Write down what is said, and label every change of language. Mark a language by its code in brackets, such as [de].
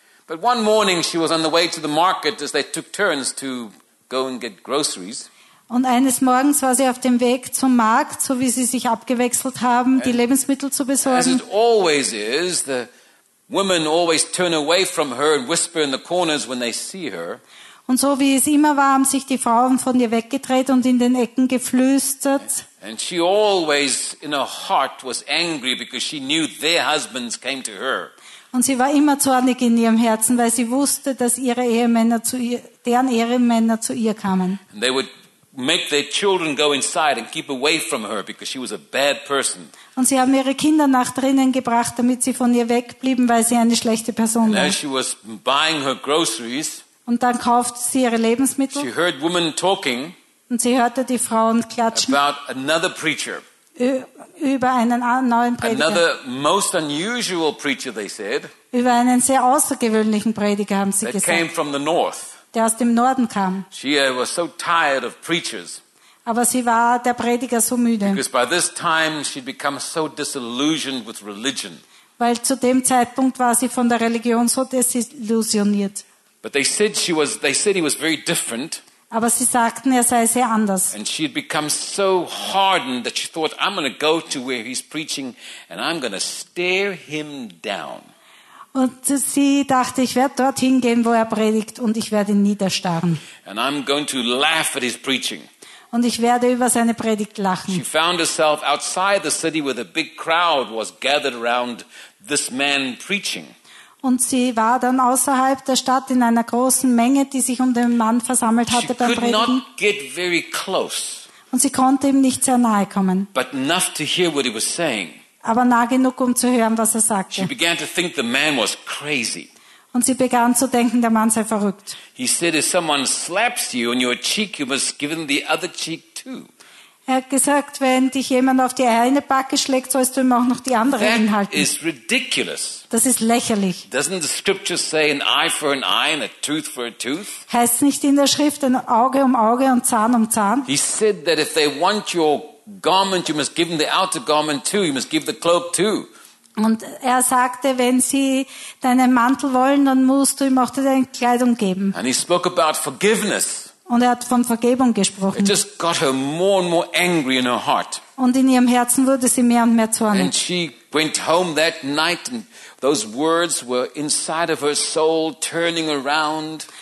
[en] But one morning she was on the way to the market as they took turns to go and get groceries. [de] Und eines Morgens war sie auf dem Weg zum Markt, so wie sie sich abgewechselt haben, die Lebensmittel zu besorgen. [en] As it always is, the women always turn away from her and whisper in the corners when they see her. [de] Und so wie es immer war, haben sich die Frauen von ihr weggedreht und in den Ecken geflüstert. [en] And she always, in her heart, was angry because she knew their husbands came to her. [de] Und sie war immer zornig in ihrem Herzen, weil sie wusste, dass ihre Ehemänner zu ihr, deren Ehemänner zu ihr kamen. [en] And they would make their children go inside and keep away from her because she was a bad person. [de] Und sie haben ihre Kinder nach drinnen gebracht, damit sie von ihr wegblieben, weil sie eine schlechte Person war. [en] And as she was buying her groceries, [de] und dann kaufte sie ihre Lebensmittel. [en] She heard women talking. [de] Und sie hörte die Frauen klatschen. [en] About another preacher. [de] Über einen neuen Prediger. [en] Another most unusual preacher, they said. [de] Über einen sehr außergewöhnlichen Prediger, haben sie gesagt. [en] Came from the north. [de] Der aus dem Norden kam. [en] She was so tired of preachers. [de] Aber sie war der Prediger so müde. [en] Because by this time she'd become so disillusioned with religion. [de] Weil zu dem Zeitpunkt war sie von der Religion so desillusioniert. [en] But they said she was. They said he was very different. [de] Aber sie sagten, er sei sehr anders. [en] And she had become so hardened that she thought, "I'm going to go to where he's preaching, and I'm going to stare him down." [de] Und sie dachte, ich werde dorthin gehen, wo er predigt, und ich werde ihn niederstarren. [en] And I'm going to laugh at his preaching. [de] Und ich werde über seine Predigt lachen. [en] She found herself outside the city where a big crowd was gathered around this man preaching. [de] Und sie war dann außerhalb der Stadt in einer großen Menge, die sich um den Mann versammelt hatte beim Predigen. [en] She could not get very close. [de] Und sie konnte ihm nicht sehr nahe kommen. [en] But enough to hear what he was saying. [de] Aber nah genug, um zu hören, was er sagte. [en] She began to think the man was crazy. [de] Und sie begann zu denken, der Mann sei verrückt. [en] He said, if someone slaps you on your cheek, you must give him the other cheek too. [de] Er hat gesagt, wenn dich jemand auf die eine Backe schlägt, sollst du ihm auch noch die andere hinhalten. [en] That is ridiculous. [de] Das ist lächerlich. [en] Doesn't the scripture say an eye for an eye and a tooth for a tooth? [de] Heißt nicht in der Schrift ein Auge um Auge und Zahn um Zahn? [en] He said that if they want your garment, you must give them the outer garment too. You must give the cloak too. [de] Und er sagte, wenn sie deinen Mantel wollen, dann musst du ihm auch deine Kleidung geben. [en] And he spoke about forgiveness. [de] Und er hat von Vergebung gesprochen. [en] It just got her more and more angry in her heart. [de] Und in ihrem Herzen wurde sie mehr und mehr zornig. [en] And she went home that night and those words were inside of her soul turning around.